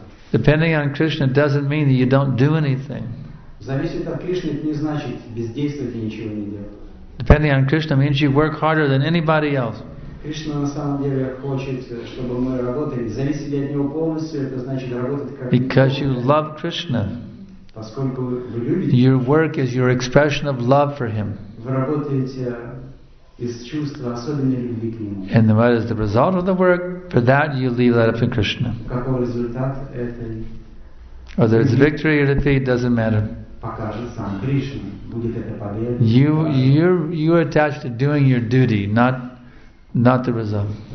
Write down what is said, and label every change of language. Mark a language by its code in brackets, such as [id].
[en] Depending on Krishna doesn't mean that you don't do anything. Depending on Krishna means you work harder than anybody else. [ru] Кришна на самом деле хочет, чтобы мы работали. Зависеть от него полностью, это значит работать как. [en] Because you love Krishna. [ru] Поскольку вы любите. [en] Your work is your expression of love for him. [ru] Вы работаете из чувства особенной любви к нему. [en] And what is the result of the work? For that you leave that up to Krishna. [ru] Какой результат этой? [en] Whether it's victory or defeat doesn't matter. [ru] Покажет сам Кришна, будет это победа. [en] You're attached to doing your duty, not the result.